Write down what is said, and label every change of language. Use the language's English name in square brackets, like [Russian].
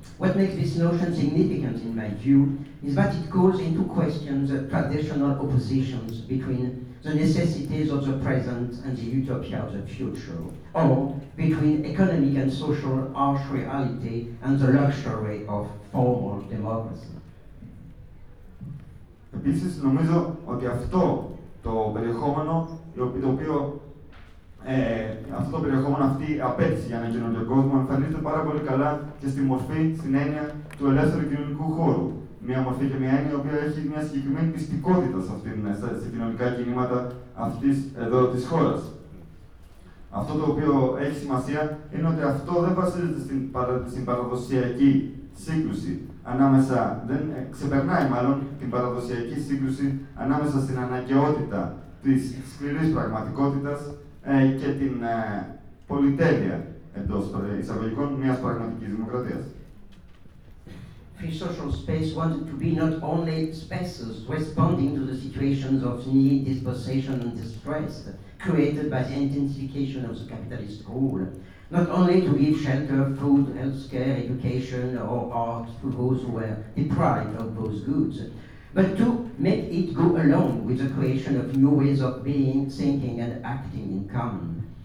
[English] What makes this notion significant, in my view, is that it calls into question the traditional oppositions between the necessities of the present and the utopia of the future, or between economic and social harsh reality and the luxury of formal democracy. [Greek] Επίσης, νομίζω ότι αυτό το περιεχόμενο, το οποίο αυτό το περιεχόμενο, αυτή η απέτηση για ένα καινούριο κόσμο, εμφανίζεται πάρα πολύ καλά και στη μορφή, στην έννοια του ελεύθερου κοινωνικού χώρου. Μια μορφή και μια έννοια η οποία έχει μια συγκεκριμένη πιστικότητα σε κοινωνικά κινήματα αυτής εδώ της χώρας. Αυτό το οποίο έχει σημασία είναι ότι αυτό δεν βασίζεται στην παραδοσιακή σύγκρουση. Ανάμεσα, δεν ξεπερνάει μάλλον την παραδοσιακή σύγκρουση ανάμεσα στην αναγκαιότητα της σκληρής πραγματικότητας και την πολυτέλεια εντός εισαγωγικών μιας πραγματικής δημοκρατίας. [English] Free social space wanted to be not only spaces responding to the situations of need, dispossession and distress created by the intensification of the capitalist rule, not only to give shelter, food, healthcare, education, or art to those who were deprived of those goods, but to make it go along with the creation of new ways of being, thinking, and acting in common.